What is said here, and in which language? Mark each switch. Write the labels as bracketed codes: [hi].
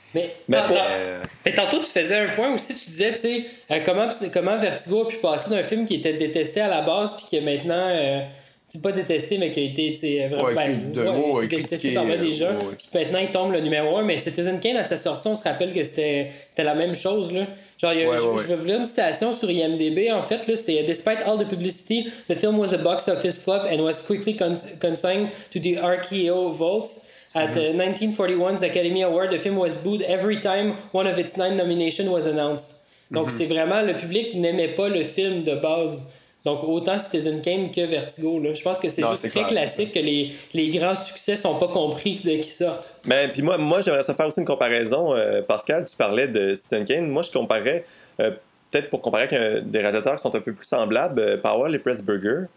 [fr] Mais tantôt, tu faisais un point aussi, tu disais, tu sais, comment Vertigo a pu passer d'un film qui était détesté à la base, puis qui est maintenant, pas détesté, mais qui a été, tu sais, détesté par moi déjà, puis maintenant il tombe le numéro un. Mais Citizen Kane, à sa sortie, on se rappelle que c'était la même chose, là. Genre, je vais vous lire une citation sur IMDb, en fait, là, c'est [en] « Despite all the publicity, the film was a box office flop and was quickly consigned to the RKO vaults. » At the 1941's Academy Award, the film was booed every time one of its 9 nominations was announced. [fr] Donc, c'est vraiment, le public n'aimait pas le film de base. Donc, autant Citizen Kane que Vertigo, là. Je pense que c'est classique. Que les grands succès sont pas compris dès qu'ils sortent. Mais puis moi, j'aimerais ça faire aussi une comparaison. Pascal, tu parlais de Citizen Kane. Moi, je comparais, peut-être pour comparer avec des réalisateurs qui sont un peu plus semblables, Powell et Pressburger,